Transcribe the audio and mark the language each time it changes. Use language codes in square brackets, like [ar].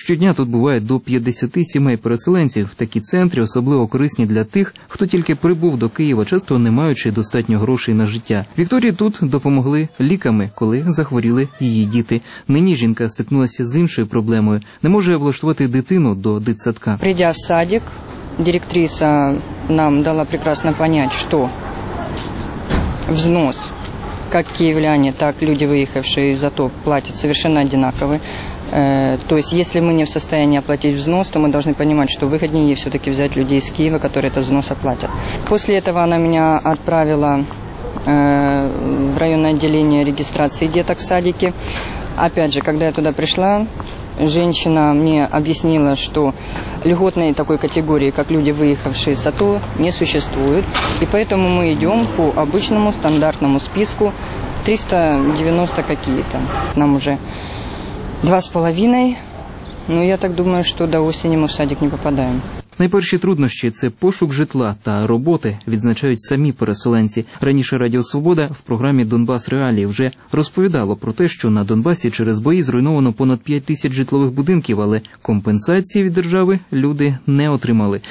[uk] Щодня тут буває до 50 сімей переселенців. Такі центри особливо корисні для тих, хто тільки прибув до Києва, часто не маючи достатньо грошей на життя. Вікторії тут допомогли ліками, коли захворіли її діти. Нині жінка стикнулася з іншою проблемою. Не може влаштувати дитину до садка. [ru] Придя в садик, директриса нам дала прекрасно понять, что взнос, как киевляне, так и люди, выехавшие из АТО, платят совершенно одинаковые. То есть, если мы не в состоянии оплатить взнос, то мы должны понимать, что выгоднее все-таки взять людей из Киева, которые этот взнос оплатят. После этого она меня отправила в районное отделение регистрации деток в садике. Опять же, когда я туда пришла, женщина мне объяснила, что льготной такой категории, как люди, выехавшие с АТО, не существует. И поэтому мы идем по обычному стандартному списку 390 какие-то. Нам уже 2,5. Ну, я так думаю, что до осени мы в садик не попадаем. [uk] Найперші труднощі – це пошук житла та роботи, відзначають самі переселенці. Раніше Радіо Свобода в програмі «Донбас Реалії» вже розповідало про те, що на Донбасі через бої зруйновано понад 5 тисяч житлових будинків, але компенсації від держави люди не отримали.